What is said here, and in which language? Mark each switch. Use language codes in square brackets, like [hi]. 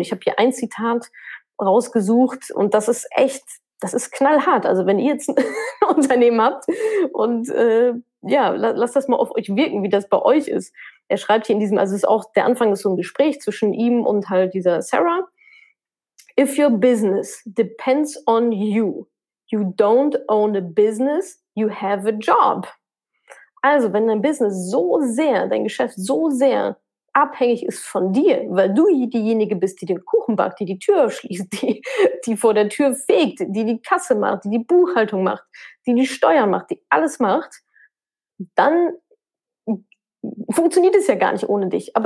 [de] Ich habe hier ein Zitat rausgesucht und das ist echt, das ist knallhart. Also wenn ihr jetzt ein Unternehmen habt und lasst das mal auf euch wirken, wie das bei euch ist. Er schreibt hier in diesem, also es ist auch der Anfang, ist so ein Gespräch zwischen ihm und halt dieser Sarah. [en] If your business depends on you, you don't own a business, you have a job. [de] Also wenn dein Business so sehr, dein Geschäft so sehr abhängig ist von dir, weil du diejenige bist, die den Kuchen backt, die Tür schließt, die vor der Tür fegt, die Kasse macht, die Buchhaltung macht, die Steuern macht, die alles macht, dann funktioniert es ja gar nicht ohne dich.